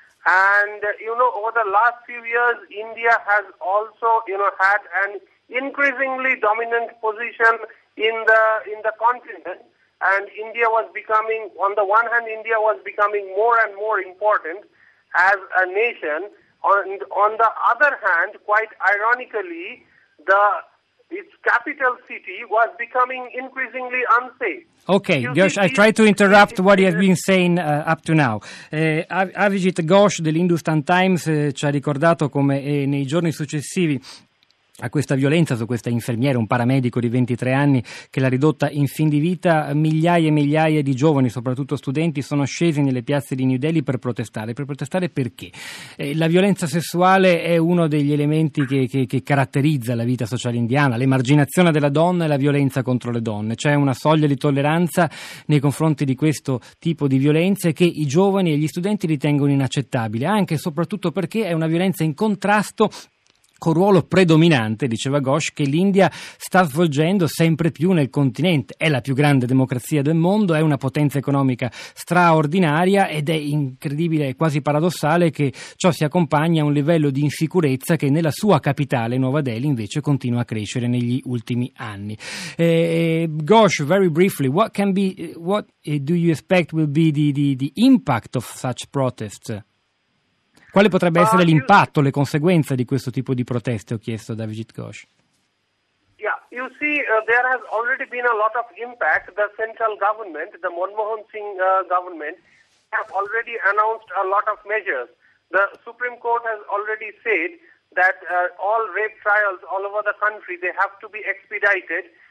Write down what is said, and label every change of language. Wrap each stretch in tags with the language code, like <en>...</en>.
<en>And, over the last few years, India has also, had an increasingly dominant position in the continent, and India was becoming, on the one hand, India was becoming more and more important as a nation, and on the other hand, quite ironically, its capital city was becoming increasingly unsafe. Okay, Ghosh, I try to interrupt what you have been saying up to now.</en> <it>Avijit Ghosh dell'Hindustan Times ci ha ricordato come nei giorni successivi a questa violenza su questa infermiera, un paramedico di 23 anni che l'ha ridotta in fin di vita, migliaia e migliaia di giovani, soprattutto studenti, sono scesi nelle piazze di New Delhi per protestare perché? La violenza sessuale è uno degli elementi che caratterizza la vita sociale indiana, l'emarginazione della donna e la violenza contro le donne, c'è una soglia di tolleranza nei confronti di questo tipo di violenze che i giovani e gli studenti ritengono inaccettabile, anche e soprattutto perché è una violenza in contrasto col ruolo predominante, diceva Ghosh, che l'India sta svolgendo sempre più nel continente. È la più grande democrazia del mondo, è una potenza economica straordinaria ed è incredibile e quasi paradossale che ciò si accompagni a un livello di insicurezza che nella sua capitale, Nuova Delhi, invece continua a crescere negli ultimi anni.</it> <en>Ghosh, very briefly, what do you expect will be the impact of such protests?</en> <it>Quale potrebbe essere l'impatto, le conseguenze di questo tipo di proteste, ho chiesto da Vijit Ghosh.</it> <en>There has already been a lot of impact. The central government, the Manmohan Singh government, have already announced a lot of measures. The Supreme Court has already said that all rape trials all over the country, they have to be expedited.</en>